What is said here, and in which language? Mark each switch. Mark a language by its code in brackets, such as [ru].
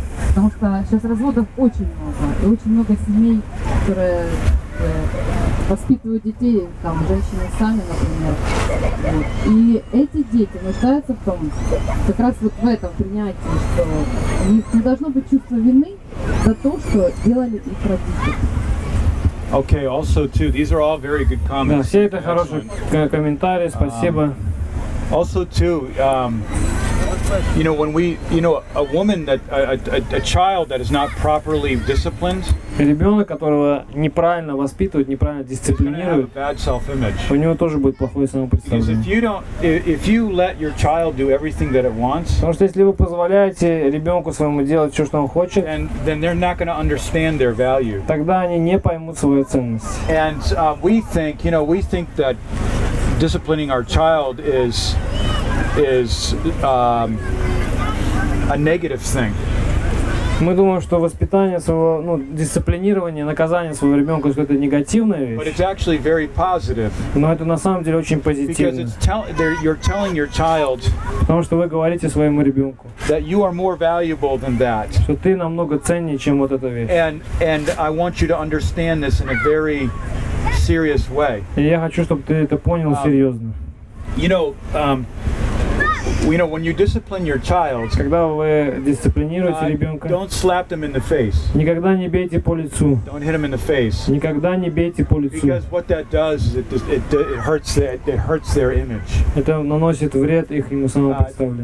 [ru] Потому что сейчас разводов очень много, и очень много семей, которые воспитывают детей, там, женщины сами, например. Вот. И эти дети нуждаются в том, как раз вот в этом принятии, что у них не должно быть чувства вины за то, что делали их родители. [en] Okay, also too, these are all very good comments. [ru] Да, все это хорошие комментарии, спасибо. [en] Also too, you know, when we, you know, a woman that a child that is not properly disciplined, [ru] ребенок, которого неправильно воспитывают, неправильно дисциплинируют, [en] bad self-image. [ru] У него тоже будет плохое самопредставление. [en] Because if you let your child do everything that it wants, [ru] потому что если вы позволяете ребенку своему делать все, что он хочет, [en] then they're not going to understand their value. [ru] Тогда они не поймут свою ценность. [en] And we think, you know, we think that disciplining our child is a negative thing. [ru] Мы думаем, что воспитание своего, ну, дисциплинирование, наказание своего ребенка — это негативная вещь. [en] But it's actually very positive. [ru] Но это на самом деле очень позитивно. [en] Because you're telling your child, [ru] потому что вы говорите своему ребенку, [en] that you are more valuable than that. [ru] Что ты намного ценнее, чем вот эта вещь. [en] And I want you to understand this in a very serious way. [ru] И я хочу, чтобы ты это понял серьезно. [en] You know, You know, when you discipline your child, [ru] когда вы дисциплинируете ребенка, [en] don't slap them in the face. [ru] Никогда не бейте по лицу. [en] Don't hit them in the face. [ru] Никогда не бейте по лицу. [en] Because what that does is it hurts their image. [ru] Это наносит вред их ему самопоставлению.